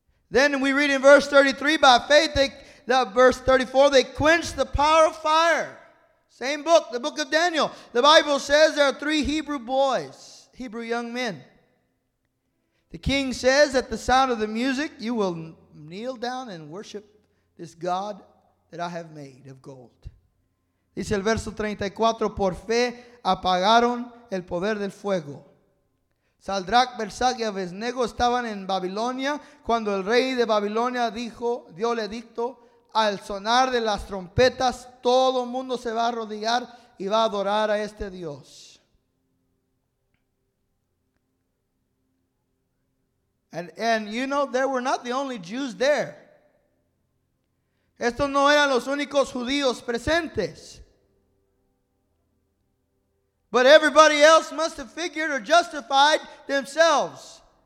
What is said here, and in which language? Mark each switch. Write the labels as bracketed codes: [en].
[en] Then we read in verse 33, by faith, verse 34, they quenched the power of fire. Same book, the book of Daniel. The Bible says there are three Hebrew boys, Hebrew young men. The king says, at the sound of the music, you will kneel down and worship this God that I have made of gold. [es] Dice el verso 34, por fe apagaron el poder del fuego. Saldrach, Mesach y Abednego estaban en Babilonia cuando el rey de Babilonia dio el edicto, al sonar de las trompetas, todo mundo se va a arrodillar y va a adorar a este Dios. [en] And you know, they were not the only Jews there. [es] Estos no eran los únicos judíos presentes. [en] But everybody else must have figured or justified themselves.